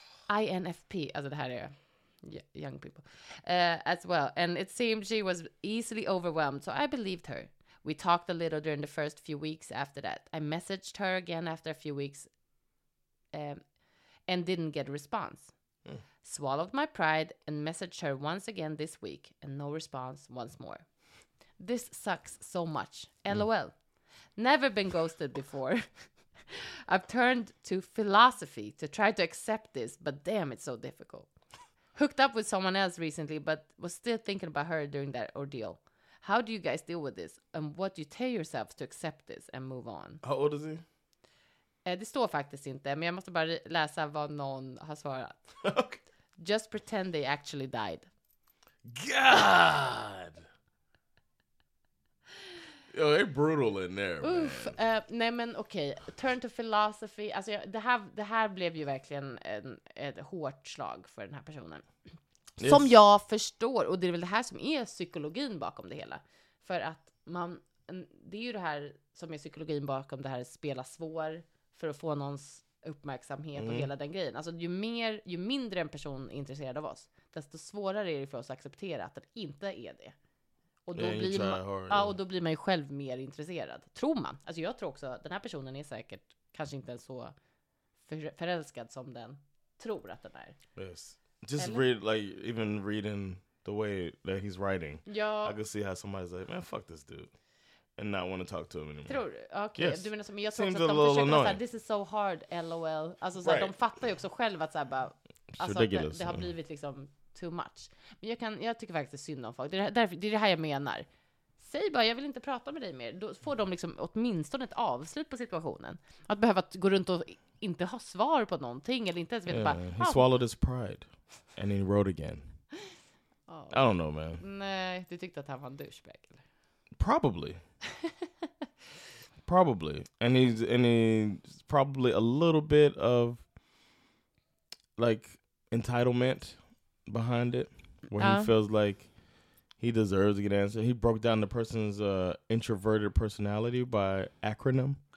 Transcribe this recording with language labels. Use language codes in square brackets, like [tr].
[sv] INFP, alltså det här är [en] young people, as well. And it seemed she was easily overwhelmed, so I believed her. We talked a little during the first few weeks after that. I messaged her again after a few weeks and didn't get a response. Mm. Swallowed my pride and messaged her once again this week and no response once more. This sucks so much. LOL. Never been ghosted before. I've turned to philosophy to try to accept this, but damn, it's so difficult. Hooked up with someone else recently, but was still thinking about her during that ordeal. How do you guys deal with this? And what do you tell yourself to accept this and move on? How old is he? [sv] Det står faktiskt inte, men jag måste bara läsa vad någon har svarat. [en] Okay. Just pretend they actually died. God! Yo, they're brutal in there, oof, man. [sv] Nej, men okej. [en] Okay. Turn to philosophy. [sv] Alltså, det här blev ju verkligen ett hårt slag för den här personen. Yes. Som jag förstår. Och det är väl det här som är psykologin bakom det hela. För att det är ju det här som är psykologin bakom det här spela svår för att få någons uppmärksamhet och hela den grejen. Alltså ju mindre en person är intresserad av oss, desto svårare är det för oss att acceptera att det inte är det. Och då, och då blir man ju själv mer intresserad, tror man. Alltså jag tror också att den här personen är säkert kanske inte så förälskad som den tror att den är. [en] Yes. Just read, like, even reading the way that he's writing. [sv] Ja. [en] I could see how somebody's like, man, fuck this dude. And not want to talk to him anymore. [sv] Tror du? Okay. Yes. Du menar så, men jag tror seems också att de försöker såhär, [en] this is so hard, lol. [sv] Alltså såhär, right. De fattar ju också själv att såhär, bara, alltså, det har blivit liksom [en] too much. [sv] Men jag tycker faktiskt synd om folk. Det är det här jag menar. Säg bara, jag vill inte prata med dig mer. Då får de liksom åtminstone ett avslut på situationen. Att behöva gå runt och inte ha svar på någonting. Eller inte ens veta, bara, [en] he swallowed his pride. And he wrote again. Oh. I don't know, man. [sv] Nej, du tyckte att han var en douchebag, eller? [en] Probably. Probably. And he's probably a little bit of like entitlement behind it. Where he feels like he deserves to get answered. He broke down the person's introverted personality by acronym.